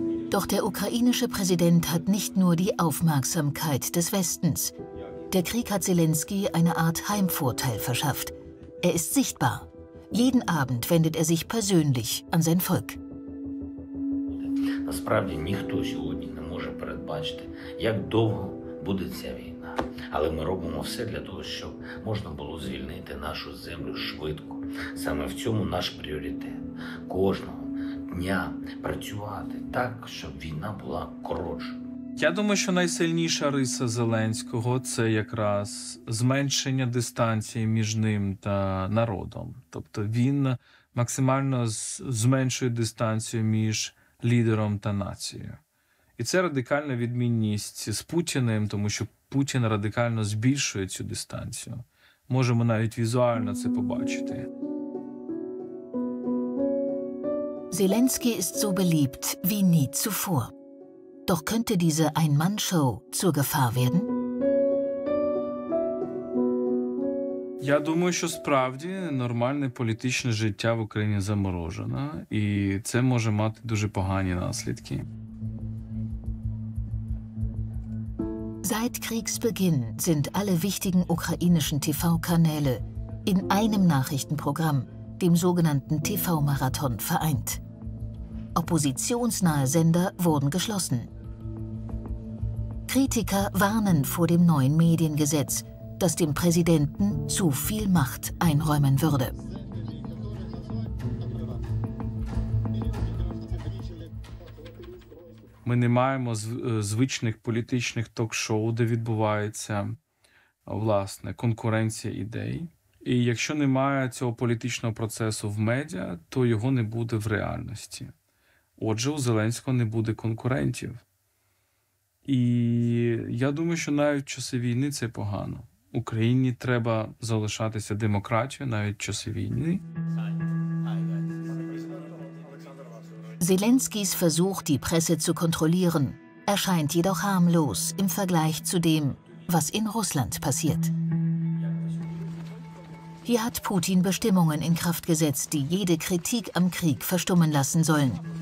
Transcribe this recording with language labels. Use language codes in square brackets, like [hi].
[de] Doch der ukrainische Präsident hat nicht nur die Aufmerksamkeit des Westens. Der Krieg hat Selenskyj eine Art Heimvorteil verschafft. Er ist sichtbar. Jeden Abend wendet er sich persönlich an sein Volk. [uk] Насправді ніхто сьогодні не може передбачити, як довго буде ця війна. Але ми робимо все для того, щоб можна було звільнити нашу землю швидко. Саме в цьому наш пріоритет. Кожного дня працювати так, щоб війна була коротша. Я думаю, що найсильніша риса Зеленського – це якраз зменшення дистанції між ним та народом. Тобто він максимально зменшує дистанцію між лідером та нацією. І це радикальна відмінність з Путіним, тому що Путін радикально збільшує цю дистанцію. Можемо навіть візуально це побачити. [de] Зеленський ist so beliebt wie nie zuvor. Doch könnte diese Ein-Mann-Show zur Gefahr werden? [uk] Я думаю, що справді нормальне політичне життя в Україні заморожено, і це може мати дуже погані наслідки. [de] Seit Kriegsbeginn sind alle wichtigen ukrainischen TV-Kanäle in einem Nachrichtenprogramm, dem sogenannten TV-Marathon, vereint. Oppositionsnahe Sender wurden geschlossen. Kritiker warnen vor dem neuen Mediengesetz, das dem Präsidenten zu viel Macht einräumen würde. [uk] Ми не маємо звичних політичних ток-шоу, де відбувається, власне, конкуренція ідей. І якщо немає цього політичного процесу в медіа, то його не буде в реальності. Отже, у Зеленського не буде конкурентів. І я думаю, що навіть в часи війни це погано. Україні треба залишатися демократією навіть в часи війни. [de] Selenskys Versuch, die Presse zu kontrollieren, erscheint jedoch harmlos im Vergleich zu dem, was in Russland passiert. Hier hat Putin Bestimmungen in Kraft gesetzt, die jede Kritik am Krieg verstummen lassen sollen.